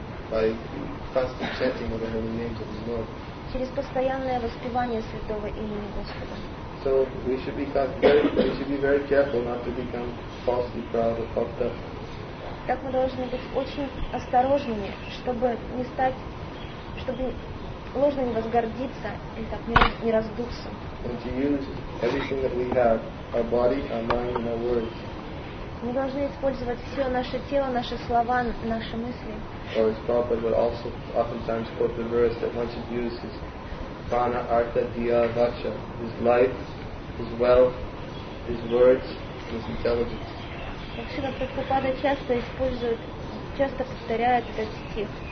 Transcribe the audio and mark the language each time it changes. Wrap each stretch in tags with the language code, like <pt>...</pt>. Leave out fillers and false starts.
<en>By constant chanting of the holy names of the Lord.</en> <ru>Через постоянное воспевание святого имени Господа.</ru> <en>So we should be very careful not to become falsely proud or puffed up.</en> <ru>Так мы должны быть очень осторожными, чтобы не стать, чтобы ложно не возгордиться и так не раздуться.</ru> <en>And to use everything that we have, our body, our mind, and our words.</en> <ru>Мы должны использовать все наше тело, наши слова, наши мысли.</ru> <en>Or as Prabhupada would also oftentimes quote the verse that one should use his prana, artha, diya, vacha, his life, his wealth, his words, his intelligence.</en> <ru>Вообще-то Прабхупада часто использует, часто повторяет этот стих.</ru>